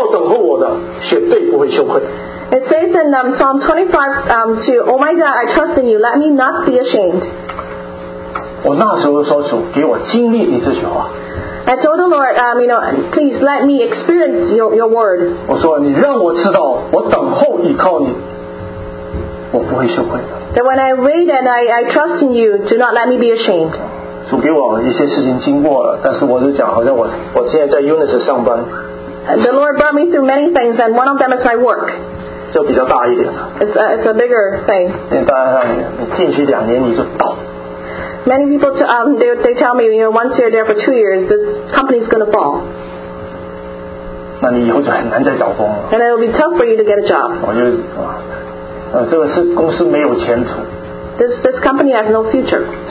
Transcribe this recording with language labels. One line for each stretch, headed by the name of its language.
Chinese: 这诗篇25篇里面讲的哈，依靠等候我的，绝对不会羞愧。
English: It says in Psalm 25, Oh my God, I trust in you. Let me not be ashamed.
Chinese: 我那时候说主，给我经历你这句话。
English: I told the Lord, please let me experience your word.
Chinese: 我说你让我知道，我等候依靠你，我不会羞愧的。
English: That when I wait and I trust in you, do not let me be ashamed.
Chinese: 主给我一些事情经过了，但是我就讲，好像我现在在 Unity 上班。
English: The Lord brought me through many things, and one of them is my work.
Chinese: 就比较大一点。It's
English: a bigger thing.
Chinese: 你进去两年你就倒。
English: Many people they tell me, you know, once you're there for 2 years, this company is going to fall. And it will be tough for you to get a job.
Chinese: 我就, 这个是公司没有前途。
English: this company has no future.